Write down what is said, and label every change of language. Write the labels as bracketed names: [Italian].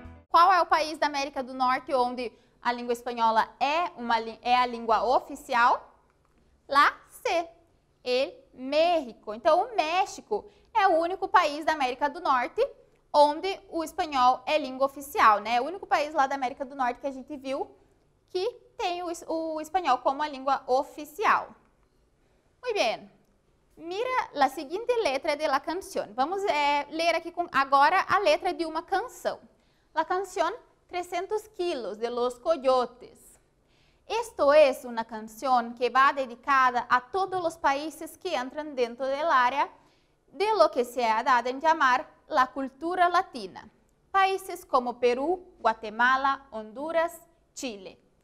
[Portuguese] Qual é o país da América do Norte onde a língua espanhola é a língua oficial. Lá, C. El México. Então, o México é o único país da América do Norte onde o espanhol é língua oficial, né? É o único país lá da América do Norte que a gente viu que tem o espanhol como a língua oficial. [Spanish] Muy bien. Mira la siguiente letra de la canción. [Portuguese] Vamos ler aqui agora a letra de uma canção. [Spanish] La canción 300 kilos de los coyotes. Esto es una canción que va dedicada a todos los países que entran dentro del área de lo que se ha dado en llamar la cultura latina. Países como Perú, Guatemala, Honduras, Chile.